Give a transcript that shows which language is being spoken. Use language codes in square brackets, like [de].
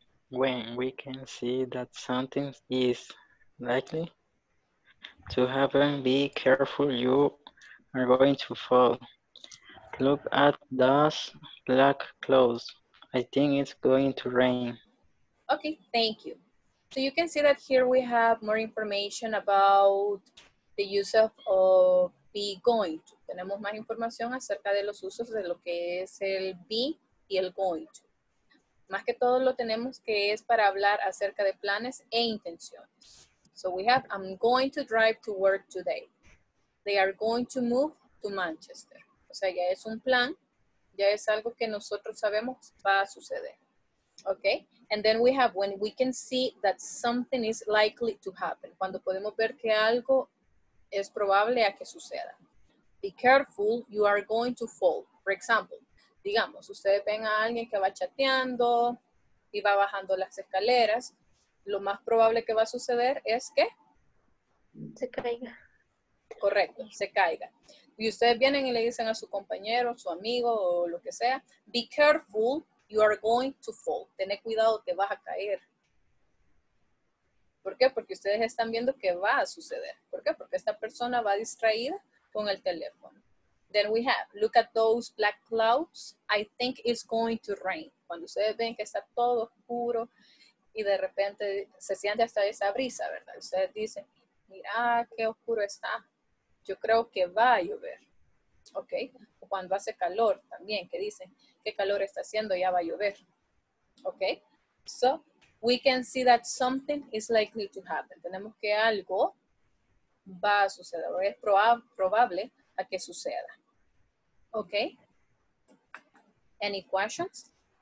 [en] When we can see that something is likely to happen, be careful, you are going to fall. Look at those black clouds. I think it's going to rain. Ok, thank you. So you can see that here we have more information about the use of be going to. [es] Tenemos más información acerca de los usos de lo que es el be y el going to. Más que todo lo tenemos que es para hablar acerca de planes e intenciones. [en] So we have, I'm going to drive to work today. They are going to move to Manchester. [es] O sea, ya es un plan, ya es algo que nosotros sabemos va a suceder. [en] Okay, and then we have when we can see that something is likely to happen. [es] Cuando podemos ver que algo es probable a que suceda. [en] Be careful, you are going to fall. For example, [es] digamos, ustedes ven a alguien que va chateando y va bajando las escaleras. Lo más probable que va a suceder es que se caiga. Correcto, se caiga. Y ustedes vienen y le dicen a su compañero, su amigo o lo que sea, [en] be careful. You are going to fall. [es] Tené cuidado, te vas a caer. ¿Por qué? Porque ustedes están viendo que va a suceder. ¿Por qué? Porque esta persona va distraída con el teléfono. [en] Then we have, look at those black clouds. I think it's going to rain. [es] Cuando ustedes ven que está todo oscuro y de repente se siente hasta esa brisa, ¿verdad? Ustedes dicen, mira qué oscuro está. Yo creo que va a llover. ¿Ok? O cuando hace calor también, que dicen, qué calor está haciendo, ya va a llover. ¿Ok? [en] So, we can see that something is likely to happen. [es] Tenemos que algo va a suceder, o es probable a que suceda. [en] ¿Ok? Any questions?